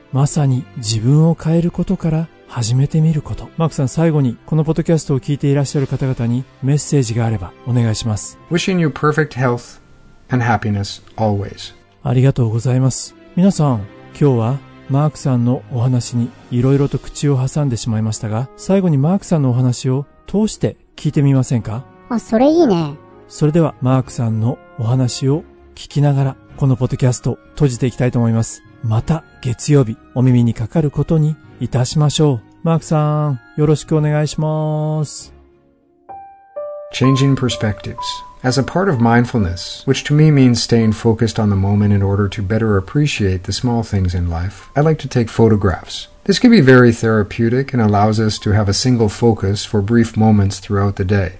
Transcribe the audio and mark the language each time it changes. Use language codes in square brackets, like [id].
[ja] まさに自分を変えることから始めてみること。マークさん、最後にこのポッドキャストを聞いていらっしゃる方々にメッセージがあればお願いします。 [en] Wishing you perfect health and happiness always. [ja] ありがとうございます。皆さん、今日はマークさんのお話にいろいろと口を挟んでしまいましたが、最後にマークさんのお話を通して聞いてみませんか？あ、それいいね。それではマークさんのお話を聞きながらこのポッドキャスト閉じていきたいと思います。また月曜日お耳にかかることにいたしましょう。マークさん、よろしくお願いします。 [en] Changing perspectives as a part of mindfulness, which to me means staying focused on the moment in order to better appreciate the small things in life, I like to take photographs. This can be very therapeutic and allows us to have a single focus for brief moments throughout the day.